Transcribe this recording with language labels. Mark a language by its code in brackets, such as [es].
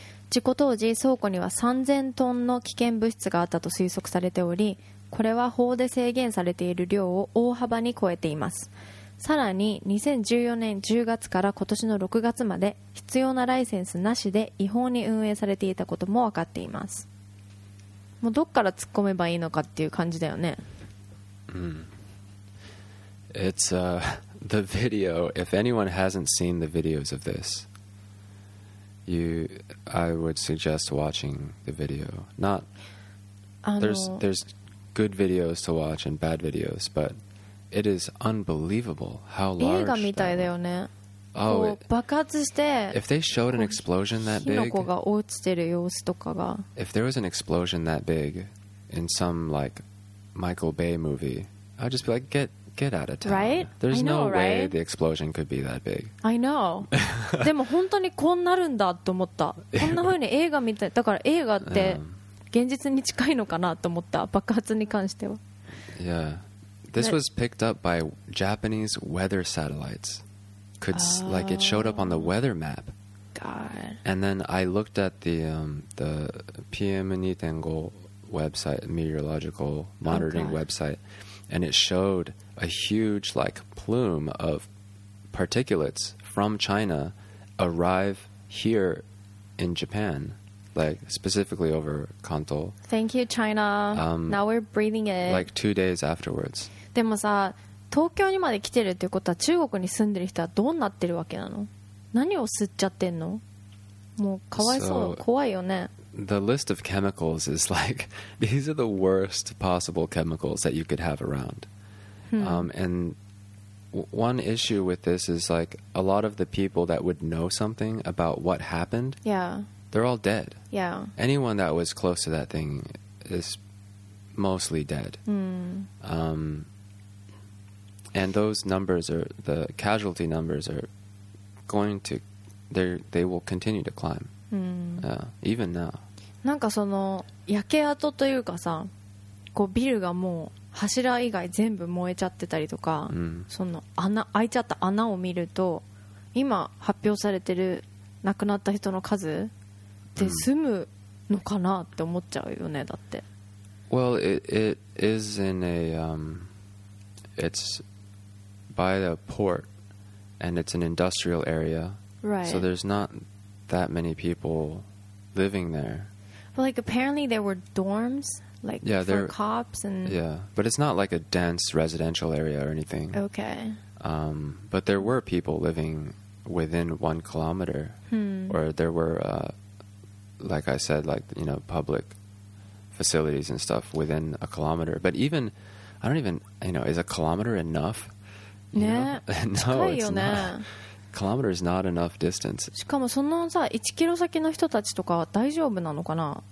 [ja] 事故当時倉庫には3000トンの危険物質があったと推測されており、これは法で制限されている量を大幅に超えています。さらに2014年10月から今年の6月まで必要なライセンスなしで違法に運営されていたことも分かっています。もうどっから突っ込めばいいのかっていう感じだよね。 [en] うん、It's the video. If anyone hasn't seen the videos of this, I would suggest watching the video. Not there's good videos to watch and bad videos, but it is unbelievable how large. [ja] 映画みたいだよね。 [en] Oh, [ja] 爆発して。 [en] If they showed an explosion that big, [ja] 火の粉が落ちてる様子とかが。 [en] If there was an explosion that big in some like Michael Bay movie, I'd just be like, get out of town. Right? There's know, no way right? the explosion could be that big. I know. [ja] でも本当にこうなるんだと思った。こんな風に映画みたい。だから映画って現実に近いのかなと思った。爆発に関しては。 [en] Yeah. This was picked up by Japanese weather satellites. Like it showed up on the weather map. God. And then I looked at the PM2.5 website, meteorological monitoring website, and it showed a huge like plume of particulates from China arrive here in Japan, like specifically over Kanto. Thank you, China. Now we're breathing it. Like 2 days afterwards. [ja] でもさ、東京にまで来てるっていうことは中国に住んでる人はどうなってるわけなの？何を吸っちゃってんの？もうかわいそう、怖いよね。 [en] The list of chemicals is like, these are the worst possible chemicals that you could have around. And one issue with this is like, a lot of the people that would know something about what happened, they're all dead. Yeah. Anyone that was close to that thing is mostly dead. And those numbers are, the casualty numbers are going to, they will continue to climb. Even now. [ja] なんかその焼け跡というかさ、こうビルがもう柱以外全部燃えちゃってたりとか、その穴開いちゃった穴を見ると、今発表されてる亡くなった人の数で済むのかなって思っちゃうよね。だって [en] Well, it is in a it's by the port and it's an industrial area, right? So there's not that many people living there. But like apparently there were dorms, like for cops and But it's not like a dense residential area or anything. Okay. But there were people living within 1 kilometer, or there were, like I said, like you know, public facilities and stuff within a kilometer. But even I don't even you know is a kilometer enough? No, it's not. Kilometer is not enough distance. [ja] しかもそのさ、1キロ先の人たちとか大丈夫なのかな？